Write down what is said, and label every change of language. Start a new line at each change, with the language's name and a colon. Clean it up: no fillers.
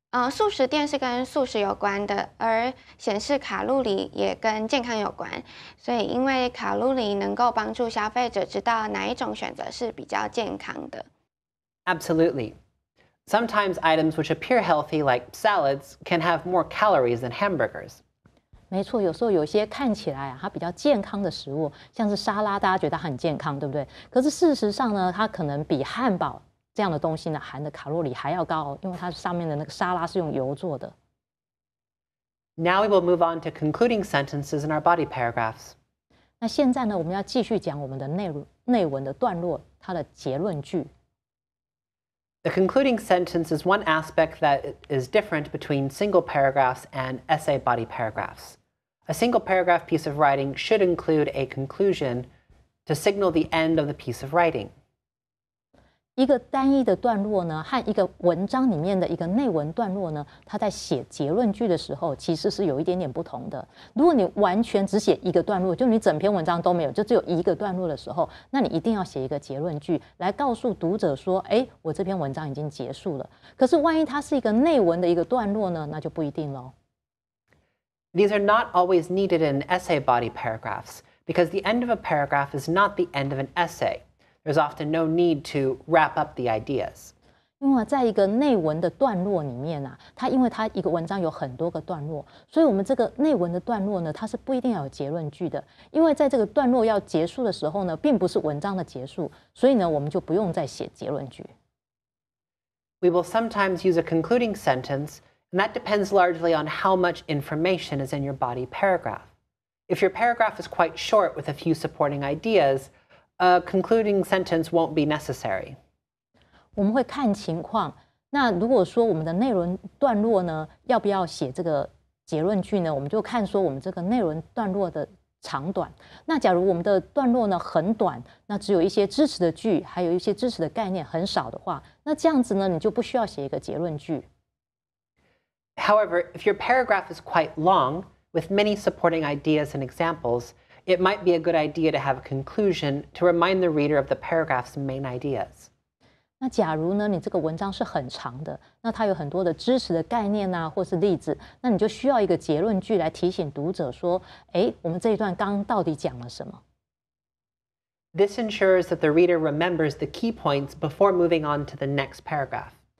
Chinese: 素食店是跟素食有关的，而显示卡路里也跟健康有关，所以因为卡路里能够帮助消费者知道哪一种选择是比较健康的。
English: Absolutely. Sometimes items which appear healthy, like salads, can have more calories than hamburgers.
Chinese: 没错，有时候有些看起来它比较健康的食物，像是沙拉，大家觉得很健康，对不对？可是事实上呢，它可能比汉堡这样的东西呢，含的卡路里还要高，因为它上面的那个沙拉是用油做的。
English: Now we will move on to concluding sentences in our body paragraphs.
Chinese: 那现在呢，我们要继续讲我们的内文的段落，它的结论句。
English: The concluding sentence is one aspect that is different between single paragraphs and essay body paragraphs. A single paragraph piece of writing should include a conclusion to signal the end of the piece of writing.
Chinese: 一个单一的段落呢，和一个文章里面的一个内文段落呢，它在写结论句的时候，其实是有一点点不同的。如果你完全只写一个段落，就你整篇文章都没有，就只有一个段落的时候，那你一定要写一个结论句，来告诉读者说，哎，我这篇文章已经结束了。可是万一它是一个内文的一个段落呢，那就不一定咯。
English: These are not always needed in essay body paragraphs, because the end of a paragraph is not the end of an essay. There's often no need to wrap up the ideas.
Chinese: 因为在一个内文的段落里面啊，它因为它一个文章有很多个段落，所以我们这个内文的段落呢，它是不一定要有结论句的。因为在这个段落要结束的时候呢，并不是文章的结束，所以呢，我们就不用再写结论句。
English: We will sometimes use a concluding sentence, and that depends largely on how much information is in your body paragraph. If your paragraph is quite short with a few supporting ideas,A concluding sentence won't be necessary.
Chinese: 我们会看情况。那如果说我们的内容段落呢，要不要写这个结论句呢？我们就看说我们这个内容段落的长短。那假如我们的段落呢很短，那只有一些支持的句，还有一些支持的概念很少的话，那这样子呢，你就不需要写一个结论句。
English: However, if your paragraph is quite long, with many supporting ideas and examples,It might be a good idea to have a conclusion to remind the reader of the paragraph's main ideas.
Chinese: 那假如呢，你这个文章是很长的，那它有很多的知识的概念啊，或是例子，那你就需要一个结论句来提醒读者说，哎，我们这一段刚到底讲了什么？
English: This ensures that the reader remembers the key points before moving on to the next paragraph.